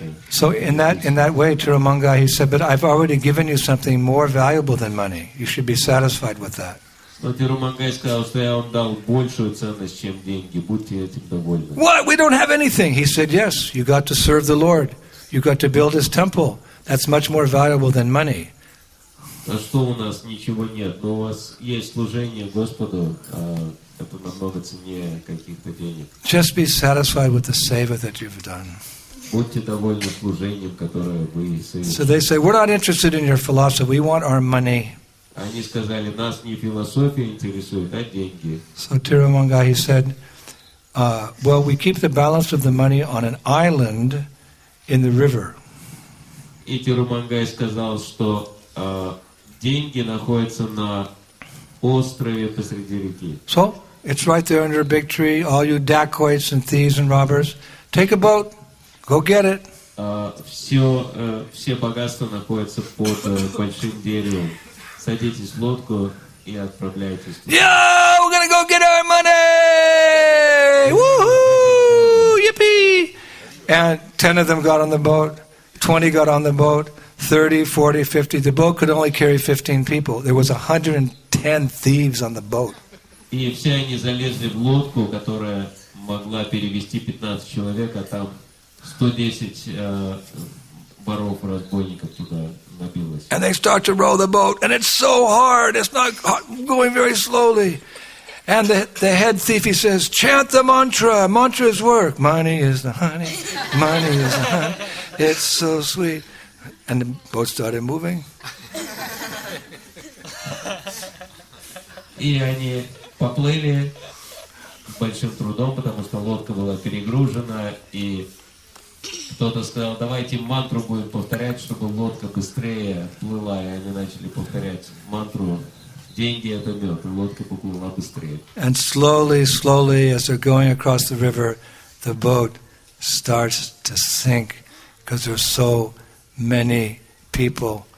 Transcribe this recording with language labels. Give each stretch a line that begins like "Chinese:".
English: So in that way, Tirumanga, he said, but I've already given you something more valuable than money. You should be satisfied with that. What? We don't have anything. He said, yes, you got to serve the Lord. You got to build his temple. That's much more valuable than money.
Russian: Что у нас ничего нет, но у вас есть служение Господу, это намного ценнее каких-то денег.
English: Just be satisfied with the seva that you've done.
Russian: Будьте довольны служением, которое вы совершили.
English: So they say, we're not interested in your philosophy, we want our money.
Russian: Они сказали, нас не философия интересует, а деньги.
English: So Tirumanga, he said, well, we keep the balance of the money on an island in the river.
Russian: И Тирумангай сказал, что деньги находятся на острове посреди реки.
English: So, it's right there under a big tree, all you dacoits and thieves and robbers. Take a boat, go get it.
Russian: Все богатства находятся под большим деревом. Садитесь в лодку и отправляйтесь туда.
English: Yeah, we're gonna go get our money! Woohoo! Yippee! And 10 of them got on the boat, 20 got on the boat, 30, 40, 50. The boat could only carry 15 people. There was 110 thieves on the boat.
Russian: И все они залезли в лодку, которая могла перевести 15 человек, а там 110 воров, разбойников туда набилось.
English: And they start to row the boat, and it's so hard. It's not going very slowly. And the head thief, he says, chant the mantra. Mantra is work. Money is the honey. Money is the honey. It's so sweet. And the boat started moving.
Russian: И они поплыли большим трудом, потому что лодка была перегружена. И кто-то сказал, давайте мантру будем повторять, чтобы лодка быстрее плыла. И они начали повторять мантру.
English: And slowly, slowly, as they're going across the river, the boat starts to sink because there's so many people.